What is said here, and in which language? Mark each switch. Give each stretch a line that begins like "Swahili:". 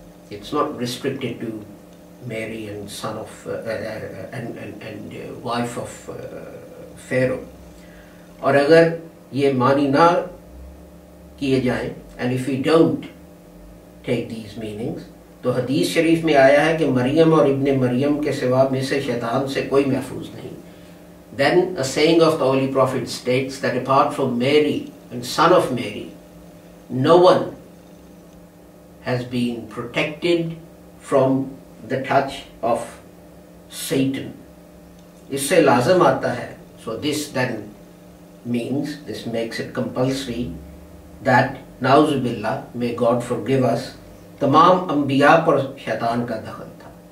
English: It's not restricted to Mary and son of wife of Pharaoh.
Urdu: اور اگر یہ معنی نہ کیے جائیں,
English: and if we don't take these meanings,
Urdu: تو حدیث شریف میں آیا ہے کہ مریم اور ابن مریم کے سوا میں سے شیطان سے کوئی محفوظ نہیں.
English: Then a saying of the Holy Prophet states that apart from Mary and son of Mary, no one has been protected from the touch of Satan.
Urdu: Isse lazim aata hai.
English: So this then means, this makes it compulsory that Nauzubillah, may God forgive us,
Urdu: tamam anbiya par shaitan ka dakhal tha.